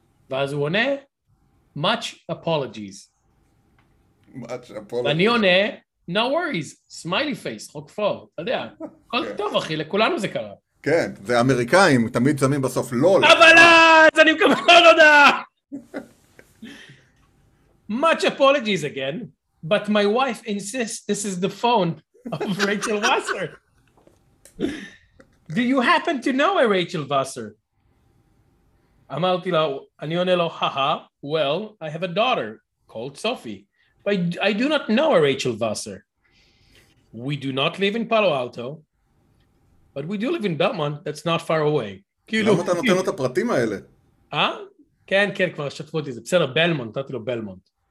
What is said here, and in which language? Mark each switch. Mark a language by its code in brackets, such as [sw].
[he] ואז הוא עונה, [en] much apologies. Much apologies. [he] ואני עונה, [en] no worries, smiley face, [he] חוקפו, אתה יודע. כל טוב, אחי, לכולנו זה קרה. כן, זה אמריקאים, תמיד שמים בסוף לול. אבל אז אני מקבל עוד הודעה. [en] Much apologies again, but my wife insists this is the phone of Rachel Wasser. Do you happen to know a Rachel Wasser? [he] אמרתי לו, אני עונה לו, [en] haha, well, I have a daughter called Sophie. I do not know a Rachel Vosser. We do not live in Palo Alto, but we do live in Belmont, that's not far away. [he] למה אתה נותן לו את הפרטים האלה? כן, כן, כבר שתפו אותי, זה בסדר, בלמונט, נתתי לו בלמונט.